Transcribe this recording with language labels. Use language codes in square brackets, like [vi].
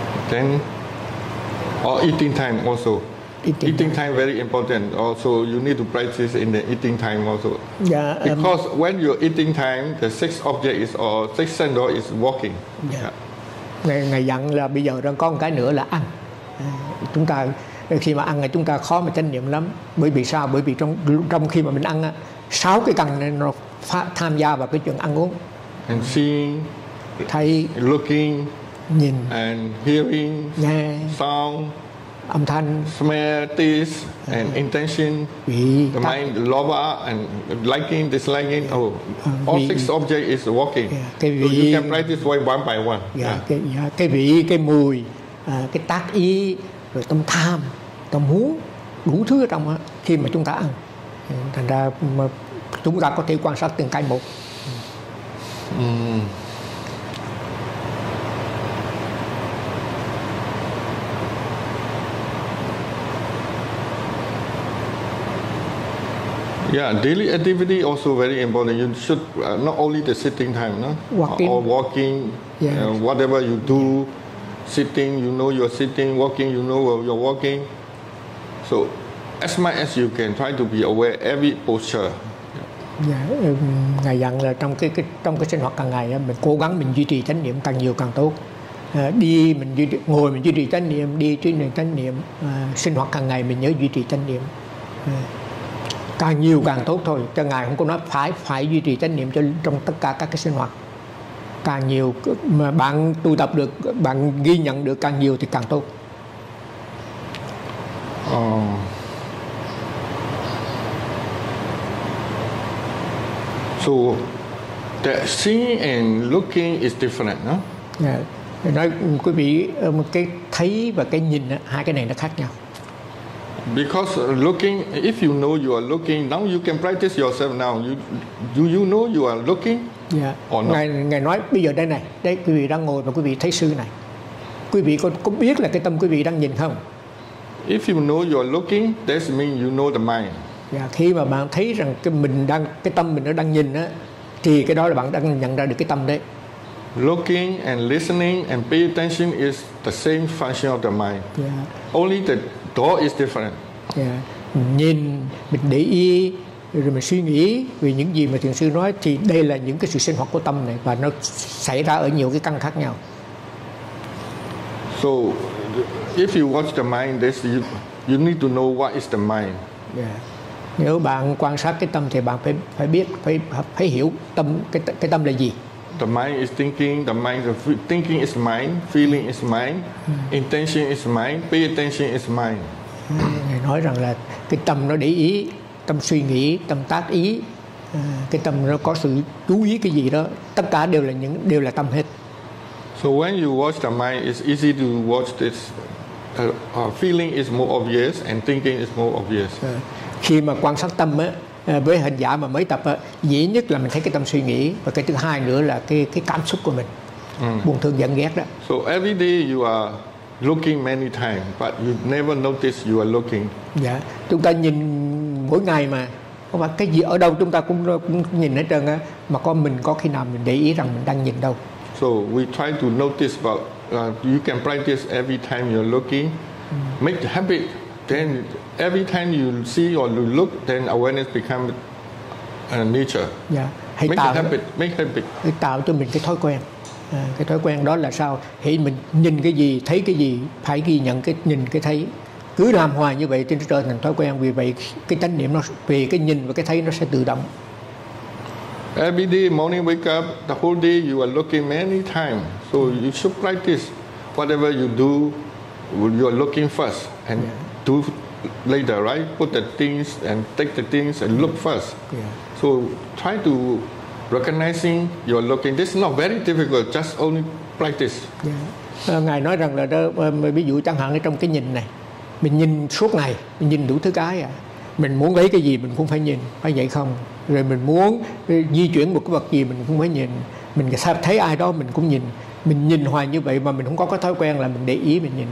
[en] Then, or eating time also. Eating time very important. Also, you need to practice in the eating time also. Yeah. Because when you're eating time, the six object is or six sense door is walking. Yeah. [vi] Ngày dặn là bây giờ đang có một cái nữa là ăn. Chúng ta khi mà ăn thì chúng ta khó mà chánh niệm lắm. Bởi vì sao? Bởi vì trong khi mà mình ăn á, sáu cái căn này nó tham gia vào cái chuyện ăn uống. [en] And seeing. [vi] Thấy. [en] Looking. [vi] Nhìn. [en] And hearing. [vi] Nghe. [en] Sound. [vi] Âm thanh, [en] smell, taste, and intention, the mind, the lover, and liking, disliking, yeah. All six objects is walking. Yeah. [vi] Cái vị, [en] so you can practice one by one. Yeah. Yeah. [vi] Cái vị, cái mùi, cái tác ý, rồi tâm tham, tâm muốn, đủ thứ ở trong đó khi mà chúng ta ăn. Thành ra mà chúng ta có thể quan sát từng cái một. [en] Yeah, daily activity also very important. You should not only the sitting time, no? Walking. Or walking, yes. Whatever you do, sitting, you know you're sitting, walking, you know you're walking. So as much as you can, try to be aware every posture. Yeah, [vi] ngài dặn là trong cái sinh hoạt hàng ngày mình cố gắng mình duy trì chánh niệm càng nhiều càng tốt. Đi mình duy trì, ngồi mình duy trì chánh niệm, đi duy trì chánh niệm, sinh hoạt hàng ngày mình nhớ duy trì chánh niệm. Càng nhiều càng tốt thôi. Cho ngài không có nói phải duy trì chánh niệm cho trong tất cả các cái sinh hoạt. Càng nhiều mà bạn tu tập được, bạn ghi nhận được càng nhiều thì càng tốt. [en] So the seeing and looking is different, no? Yeah. [vi] Nói quý vị, cái thấy và cái nhìn hai cái này nó khác nhau. [en] Because looking, if you know you are looking, now you can practice yourself now. Do you know you are looking? Yeah. Or not? [vi] Ngài nói bây giờ đây này, đây quý vị đang ngồi và quý vị thấy sư này. Quý vị có biết là cái tâm quý vị đang nhìn không? [en] If you know you are looking, that means you know the mind. Yeah, [vi] khi mà bạn thấy rằng cái tâm mình nó đang nhìn á, thì cái đó là bạn đang nhận ra được cái tâm đấy. [en] Looking and listening and pay attention is the same function of the mind. Yeah. Only the door is different. Yeah. [vi] Mình nhìn, mình để ý, rồi mình suy nghĩ về những gì mà thiền sư nói thì đây là những cái sự sinh hoạt của tâm này và nó xảy ra ở nhiều cái căn khác nhau. [en] So, if you watch the mind, this you need to know what is the mind. Yeah. [vi] Nếu bạn quan sát cái tâm thì bạn phải biết, phải hiểu tâm cái tâm là gì. [en] The mind is thinking. The mind, thinking is mind. Feeling is mind. Intention is mind. Pay attention is mind. [vi] Ngài nói rằng là cái tâm nó để ý, tâm suy nghĩ, tâm tác ý, cái tâm nó có sự chú ý cái gì đó, tất cả đều là tâm hết. [en] So when you watch the mind, it's easy to watch this. Feeling is more obvious and thinking is more obvious. [vi] Khi mà quan sát tâm á. Với hình giả mà mới tập dễ nhất là mình thấy cái tâm suy nghĩ và cái thứ hai nữa là cái cảm xúc của mình buồn thương giận ghét đó. [en] So every day you are looking many times but you never notice you are looking. [vi] Dạ, chúng ta nhìn mỗi ngày mà không phải cái gì ở đâu chúng ta cũng nhìn hết trơn á, mà có mình có khi nào mình để ý rằng mình đang nhìn đâu? [en] So we try to notice about you can practice every time you're looking, make the habit. Then every time you see or you look, then awareness become a nature. Yeah. Make a habit. Make habit. [vi] Tạo cho mình cái thói quen. Cái thói quen đó là sao? Hãy mình nhìn cái gì, thấy cái gì, phải ghi nhận cái nhìn cái thấy. cứ làm hoài như vậy thì nó trở thành thói quen. Vì vậy cái chánh niệm nó về cái nhìn và cái thấy nó sẽ tự động. [en] Every day morning wake up, the whole day you are looking many times. So you should practice whatever you do, you are looking first and do later, right? Put the things and take the things and look first. So try to recognizing you are looking. This is not very difficult, just only practice. [vi] Ngài nói rằng là đó, ví dụ chẳng hạn trong cái nhìn này, mình nhìn suốt ngày, mình nhìn đủ thứ cái à. Mình muốn lấy cái gì mình cũng phải nhìn, phải vậy không? Rồi mình muốn di chuyển một cái vật gì mình cũng phải nhìn. Mình thấy ai đó mình cũng nhìn. Mình nhìn hoài như vậy mà mình không có cái thói quen là mình để ý mình nhìn.